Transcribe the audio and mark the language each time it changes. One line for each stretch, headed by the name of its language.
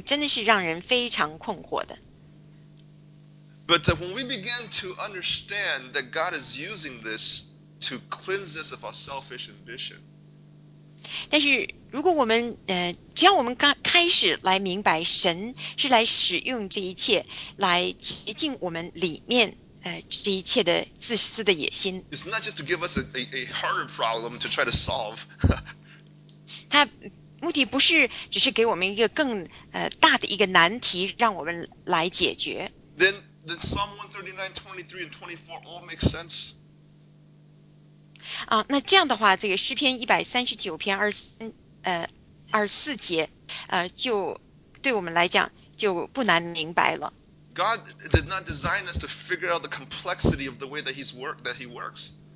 Chinese: 但是到最后呢，只是确实只是让我把它放手而已。那这个过程真的是让人非常困惑的。
English: But when we begin to understand that God is using this to cleanse us of our selfish ambition.
Chinese: 但是，如果我们只要我们刚开始来明白神是来使用这一切，来洁净我们里面这一切的自私的野心，
English: It's not just to give us a harder problem to try to solve.
Chinese: 它目的不是只是给我们一个更大的一个难题让我们来解决。
English: Then Psalm 139, 23, and 24 all make sense.
Chinese: 那这样的话，这个诗篇139篇24节，就对我们来讲就不难明白了。
English: God did not design us to figure out the complexity of the way that he works.